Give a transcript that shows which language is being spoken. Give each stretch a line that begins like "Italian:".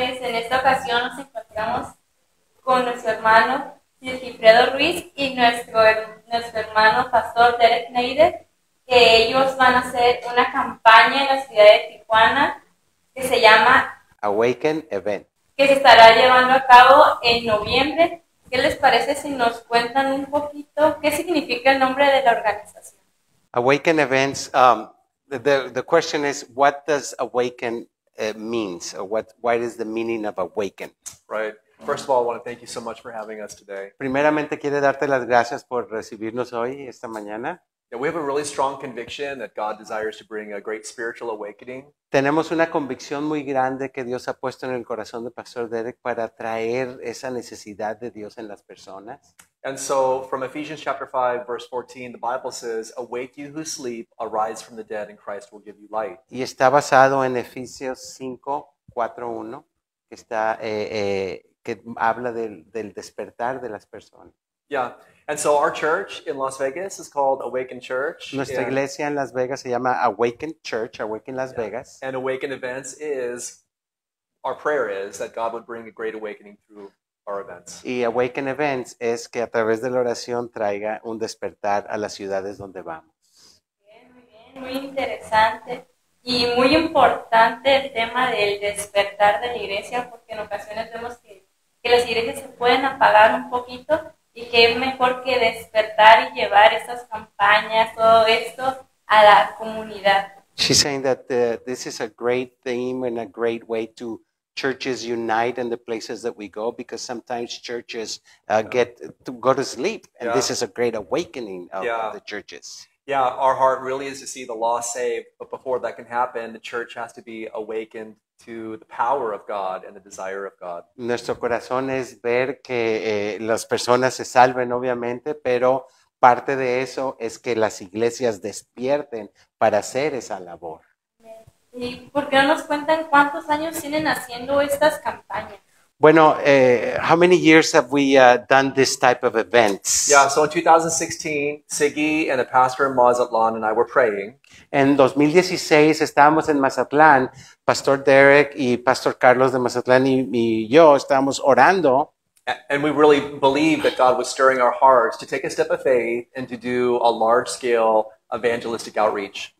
Spanish: esta ocasión nos encontramos con nuestro hermano Sigifredo Ruiz y nuestro hermano Pastor Derek Neider, que ellos van a hacer una campaña en la ciudad de Tijuana que se llama
English: Awaken Event,
Spanish: que se estará llevando a cabo en noviembre. ¿Qué les parece si nos cuentan un poquito qué significa el nombre de la organización?
English: Awaken Events, the question is, what does awaken means, or what is the meaning of awaken? Right. First of all, I want to thank you so much for having us today.
Spanish: Primeramente, quiero darte las gracias por recibirnos hoy, esta mañana.
English: Yeah, we have a really strong conviction that God desires to bring a great spiritual awakening.
Spanish: Tenemos una convicción muy grande que Dios ha puesto en el corazón de Pastor Derek para traer esa necesidad de Dios en las personas.
English: And so, from Ephesians chapter 5, verse 14, the Bible says, "Awake you who sleep, arise from the dead, and Christ will give you light."
Spanish: Y está basado en Efesios 5:4-1, que está que habla del despertar de las personas.
English: Yeah, and so our church in Las Vegas is called Awaken Church.
Spanish: Nuestra iglesia en Las Vegas se llama Awaken Church, Awaken Las Vegas.
English: And Awaken Events is, our prayer is that God would bring a great awakening through our events.
Spanish: Y Awaken Events es que a través de la oración traiga un despertar a las ciudades donde vamos. Bien, muy interesante y muy importante el tema del despertar de la iglesia, porque en ocasiones vemos que las iglesias se pueden apagar un poquito. Y qué mejor que despertar y llevar esas campañas, todo esto, a la comunidad.
English: She's saying that this is a great theme and a great way to churches unite in the places that we go, because sometimes churches get to go to sleep, and this is a great awakening of the churches. Yeah, our heart really is to see the lost saved, but before that can happen, the church has to be awakened to the power of God and the desire of God.
Spanish: Nuestro corazón es ver que las personas se salven, obviamente, pero parte de eso es que las iglesias despierten para hacer esa labor. ¿Y por qué no nos cuentan cuántos años tienen haciendo estas campañas?
English: Bueno, how many years have we done this type of events? Yeah, so in 2016, Sigi and a pastor in Mazatlán and I were praying.
Spanish: En 2016, estábamos en Mazatlán, Pastor Derek y Pastor Carlos de Mazatlán y yo estábamos orando.
English: And we really believed that God was stirring our hearts to take a step of faith and to do a large-scale evangelistic outreach.